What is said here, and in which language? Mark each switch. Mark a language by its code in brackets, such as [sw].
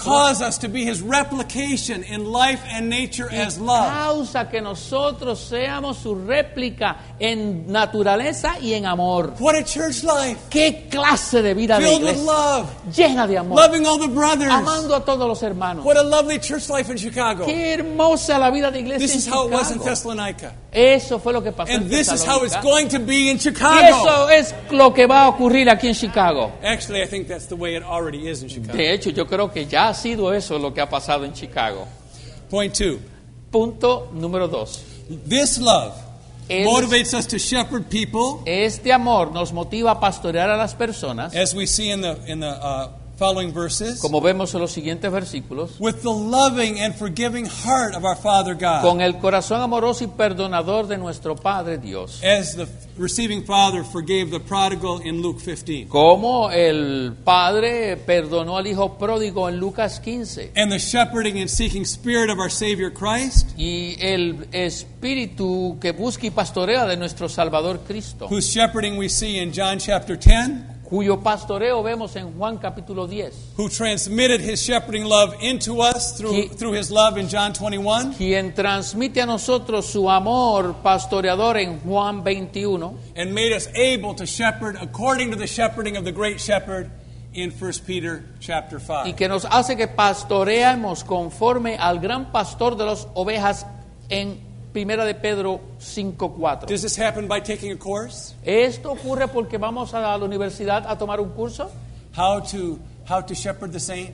[en] And cause us to be his replication in life and nature as love. [es] Causa que nosotros seamos su réplica en naturaleza y en amor. [en] What a church life. [es] ¿Qué clase de vida [en] filled [es] de iglesia? [en] Love. [es] Llena de amor. [en] Loving all the brothers. [es] Amando a todos los hermanos. [en] What a lovely church life in Chicago. [es] Qué hermosa la vida de iglesia en Chicago. [en] This is how it was in Thessalonica. [es] Eso fue lo que pasó [en] and [es] en [en] this is how it's going to be in Chicago. [es] Y eso es lo que va a ocurrir aquí en Chicago. [en] Actually, I think that's the way it already is in Chicago. [es] De hecho, yo creo que ya ha sido eso lo que ha pasado en Chicago. [en] Point two. [es] Punto número dos. [en] This love motivates us to shepherd people. [es] Este amor nos motiva a pastorear a las personas. [en] As we see in the following verses, [es] como vemos en los siguientes versículos, [en] with the loving and forgiving heart of our Father God, [es] con el corazón amoroso y perdonador de nuestro Padre Dios, [en] as the receiving Father forgave the prodigal in Luke 15, [es] como el padre perdonó al hijo pródigo en Lucas 15, [en] and the shepherding and seeking spirit of our Savior Christ, [es] y el espíritu que busca y pastorea de nuestro Salvador Cristo, [en] whose shepherding we see in John chapter 10. [es] Cuyo pastoreo vemos en Juan capítulo 10. [en] Who transmitted his shepherding love into us through his love in John 21. [es] Quien transmite a nosotros su amor pastoreador en Juan 21. [en] And made us able to shepherd according to the shepherding of the great shepherd in 1 Peter chapter 5. [es] Y que nos hace que pastoreemos conforme al gran pastor de las ovejas en Primera de Pedro 5:4. [en] Does this happen by taking a course? [es] ¿Esto ocurre porque vamos a la universidad a tomar un curso? [en] How to shepherd the saints?